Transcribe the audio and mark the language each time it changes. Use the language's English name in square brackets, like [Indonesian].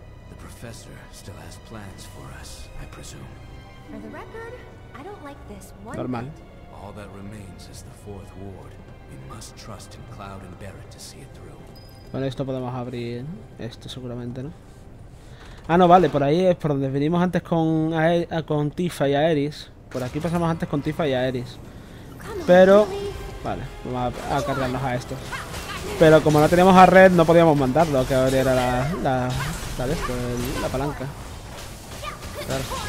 [Spanish] El profesor todavía tiene planes para nosotros, presumo. [English] For the record, I don't like this one. Normal. All that remains is the fourth ward. We must trust in Cloud and Barrett to see it through. [Spanish] Bueno, esto podemos abrir esto seguramente, ¿no? Ah, no, vale, por ahí es por donde venimos antes con Tifa y Aeris. Por aquí pasamos antes con Tifa y Aeris. Pero vale, vamos a cargarnos a estos. Pero como no teníamos a Red, no podíamos mandarlo, que abriera la palanca. Claro.